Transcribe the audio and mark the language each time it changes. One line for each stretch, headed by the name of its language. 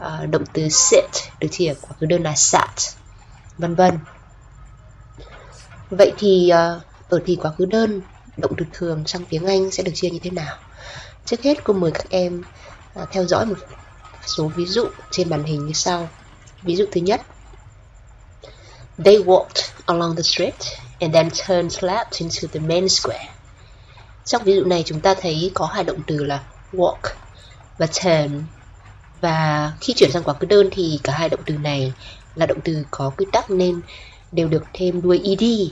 Vietnamese: Động từ sit được chia ở quá khứ đơn là sat, vân vân. Vậy thì ở thì quá khứ đơn, động từ thường trong tiếng Anh sẽ được chia như thế nào? Trước hết cô mời các em theo dõi một số ví dụ trên màn hình như sau. Ví dụ thứ nhất,
English: they walked along the street and then turned left into the main square.
Vietnamese: Trong ví dụ này chúng ta thấy có hai động từ là walk và turn, và khi chuyển sang quá khứ đơn thì cả hai động từ này là động từ có quy tắc nên đều được thêm đuôi ed.